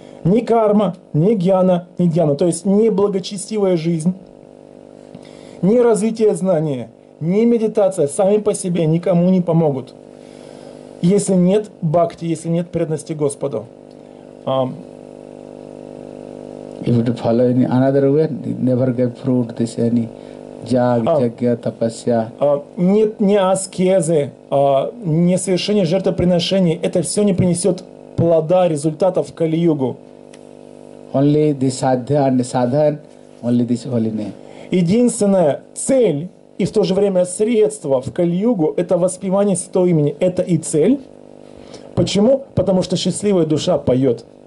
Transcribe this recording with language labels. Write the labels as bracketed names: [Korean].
[Russian] Ни карма, ни гьяна, ни дьяна, то есть ни благочестивая жизнь, ни развитие знания, ни медитация сами по себе никому не помогут, если нет бхакти, если нет преданности Господу. [English] If you follow any another way, you never get fruit. This any jag, jagya, tapasya. [Russian] Нет ни аскезы, ни совершения жертвоприношений. Это все не принесет плода, результатов в Кали-югу. [English] Only the sadhya and sadhan, only this holy name. [Russian] Единственная цель и в то же время средство в Кали-югу – это воспевание Святого Имени. Это и цель. Почему? Потому что счастливая душа поет.